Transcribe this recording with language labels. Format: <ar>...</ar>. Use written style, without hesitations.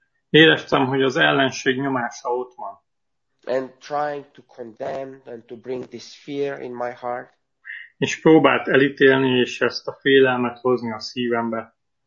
<hu>Éreztem, hogy az ellenség nyomása ott van.</hu> <en>And trying to condemn and to bring this fear in my heart.</en> <hu>És próbált elítélni és ezt a félelmet hozni a szívembe.</hu>